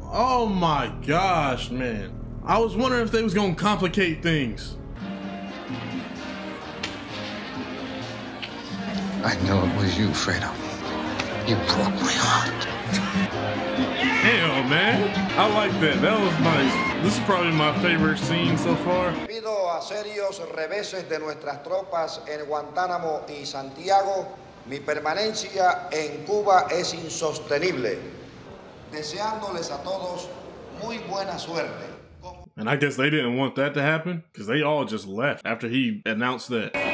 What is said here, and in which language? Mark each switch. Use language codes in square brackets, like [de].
[en] Oh my gosh, man. I was wondering if they was gonna complicate things. I know it was you, Fredo. You broke my heart. Damn, man. I like that. That was nice. This is probably my favorite scene so far. [es] Debido a serios reveses de nuestras tropas en Guantánamo y Santiago, mi permanencia en Cuba es insostenible. Deseándoles a todos muy buena suerte. [en] And I guess they didn't want that to happen, because they all just left after he announced that.